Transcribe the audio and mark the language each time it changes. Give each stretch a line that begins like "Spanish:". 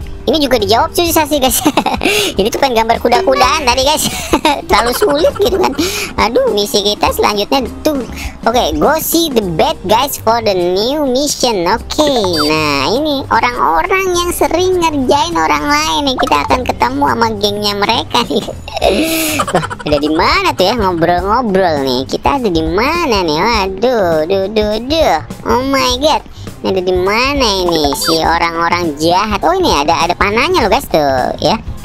Indonesian: Ini juga dijawab susah sih guys. Ini tuh pengen gambar kuda-kudaan tadi guys. Terlalu sulit gitu kan. Aduh, misi kita selanjutnya tuh.
English: Oke, go see the bad guys for the new mission.
Indonesian: Oke, nah ini orang-orang yang sering ngerjain orang lain nih. Kita akan ketemu sama gengnya mereka nih. Wah, ada di mana tuh ya ngobrol-ngobrol nih. Kita ada di mana nih? Waduh, duh. Oh my god. Ini ada di mana ini si orang-orang jahat? Oh, ini ada panahnya loh guys tuh ya.